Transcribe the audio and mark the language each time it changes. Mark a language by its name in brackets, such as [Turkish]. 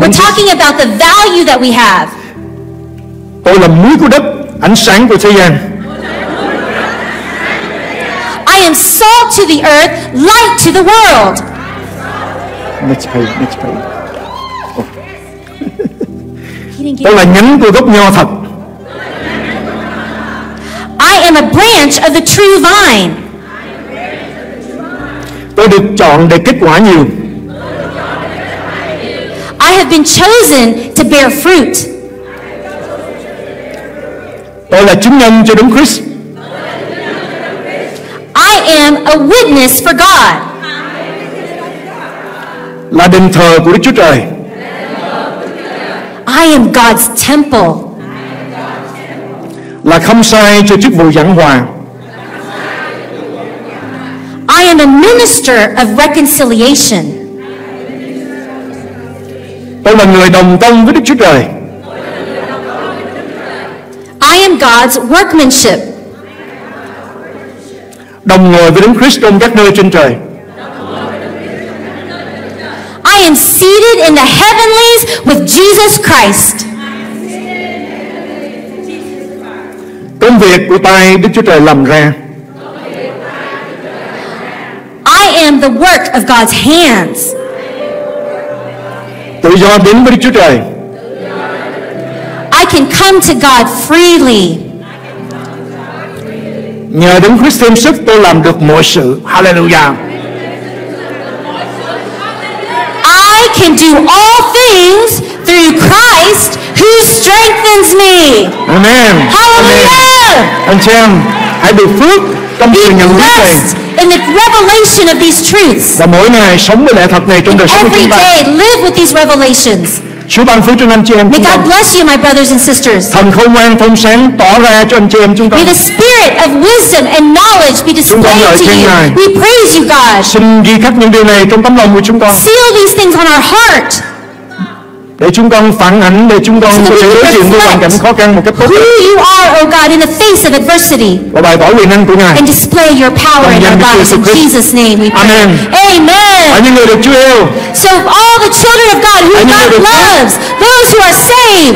[English] We're talking about the value that we have. [Vietnamese] Tôi là muối của đất, ánh sáng của thế gian. [English] I am salt to the earth, light to the world. Next page. [Vietnamese] Tôi là nhánh của gốc nho thật. [English] I am a branch of the true vine. [Vietnamese] Tôi được chọn để kết quả nhiều. [English] I have been chosen to bear fruit. [Vietnamese] Tôi là chứng nhân cho đấng Christ. [English] I am a witness for God. [Vietnamese] Là đền thờ của Đức Chúa Trời. [English] I am God's temple. [Vietnamese] Là không sai cho chức vụ giảng hòa. [English] I am a minister of reconciliation. [Vietnamese] Tôi là người đồng công với Đức Chúa Trời. [English] I am God's workmanship. [Vietnamese] Đồng ngồi với Đấng Christ trong các nơi trên trời. [English] I am seated in the heavenlies with Jesus Christ. [Vietnamese] Công việc của tay Đức Chúa Trời làm ra. [English] I am the work of God's hands. [Vietnamese] Tự do đến với Đức Chúa Trời. [English] I can come to God freely. [Vietnamese] Nhờ Đấng Christ thêm sức tôi làm được mọi sự. [English] Hallelujah. I can do all things through Christ who strengthens me. Amen. Hallelujah. [Vietnamese] Anh chị em, hãy được phước trong sự nhận biết này. [English] In the revelation of these truths. [Vietnamese] Và mỗi ngày sống với lẽ thật này trong đời sống của chúng ta. [English] Every day live with these revelations. [Vietnamese] Chúa ban phước cho anh chị em. [English] May God bless you, my brothers and sisters. [Vietnamese] Thần khôn ngoan thông sáng tỏ ra cho anh chị em chúng ta. [English] May the spirit of wisdom and knowledge be displayed to you. We praise you, God. [Vietnamese] Xin ghi khắc những điều này trong tấm lòng của chúng con. [English] Seal these things on our heart. [Vietnamese] Để chúng con phản ảnh, để chúng con có thể đối diện với hoàn cảnh khó khăn một cách tốt. [English] Who you are, O God, in the face of adversity. [Vietnamese] Và bày tỏ quyền năng của Ngài. [English] And display your power in our lives. In Jesus' name, we pray. Amen. Amen. [Vietnamese] Và những người được Chúa yêu. [English] So all the children of God who God loves, those who are saved.